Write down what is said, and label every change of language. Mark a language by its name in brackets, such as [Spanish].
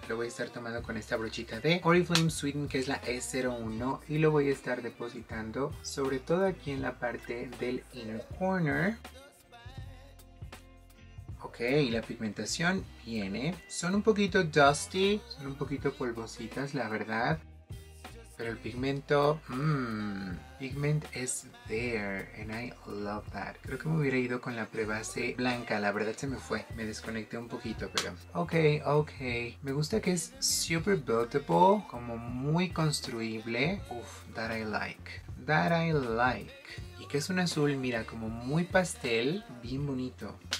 [Spanish] Lo voy a estar tomando con esta brochita de Oriflame Sweeten, que es la E01, y lo voy a estar depositando sobre todo aquí en la parte del inner corner. Ok, y la pigmentación viene. Son un poquito dusty, son un poquito polvositas, la verdad. Pero el pigmento, [English] pigment is there, and I love that. [Spanish] Creo que me hubiera ido con la prebase blanca, la verdad se me fue. Me desconecté un poquito, pero... Ok. Me gusta que es [English] super buildable, [Spanish] como muy construible. Uf, [English] that I like. [Spanish] Y que es un azul, mira, como muy pastel, bien bonito.